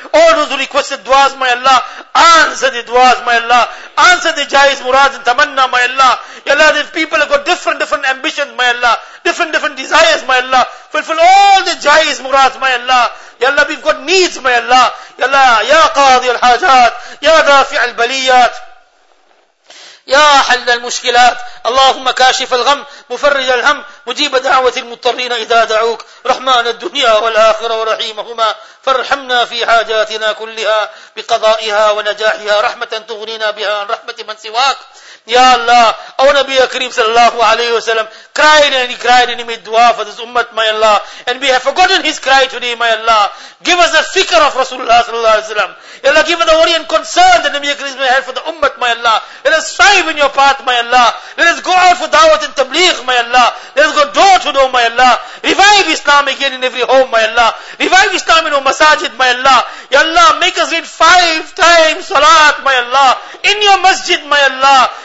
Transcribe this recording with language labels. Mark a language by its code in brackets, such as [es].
[en] All those who requested duas, my Allah, answer the duas, my Allah. Answer the jais murad and tamanna, my Allah. Ya Allah, these people have got different ambitions, my Allah. Different desires, my Allah. Fulfill all the jais murad, my Allah. Ya Allah, we've got needs, my Allah. [ar] Ya Allah, ya qadi al-hajat, ya dafi' al-baliyat, يا حل المشكلات اللهم كاشف الغم مفرج الهم مجيب دعوة المضطرين إذا دعوك رحمن الدنيا والآخرة ورحيمهما فارحمنا في حاجاتنا كلها بقضائها ونجاحها رحمة تغنينا بها عن رحمة من سواك يا الله أو نبي كريم صلى الله عليه وسلم [en] cried and he made dua for this ummah, my Allah, and we have forgotten his cry today, my Allah. Give us a fikr of Rasulullah sallallahu alayhi wa sallam. Ya Allah, give us the worry and concern that Nabi Akram may have for the ummah, my Allah. Let us strive in your path, my Allah. Let us go out for dawat and tabligh, my Allah. Let us go door to door, my Allah. Revive Islam again in every home, my Allah. Revive Islam in our masajid, my Allah. Ya Allah, make us read 5 times salat, my Allah, in your masjid, my Allah.